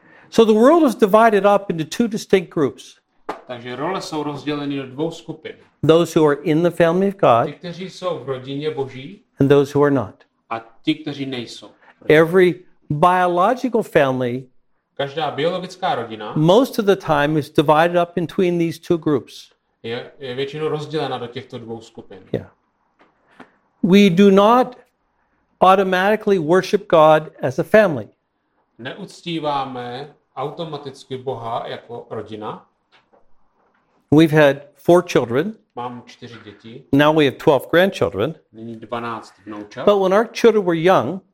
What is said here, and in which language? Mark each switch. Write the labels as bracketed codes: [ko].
[en] So the world is divided up into two distinct groups. [cs] Takže role jsou rozděleny do dvou skupin. [en] Those who are in the family of God. [cs] Ti, kteří jsou v rodině Boží. [en] And those who are not. [cs] A ti, kteří nejsou. [en] Every biological family, [cs] každá biologická rodina, [en] most of the time is divided up between these two groups. [cs] Je většinou rozdělena do těchto dvou skupin. [en] Yeah. We do not automatically worship God as a family. [cs] Neuctíváme automaticky Boha jako rodina. [en] We've had 4 children. [cs] Mám 4 děti. [en] Now we have 12 grandchildren. [cs] Nyní 12 vnoučat. [en] But when our children were young,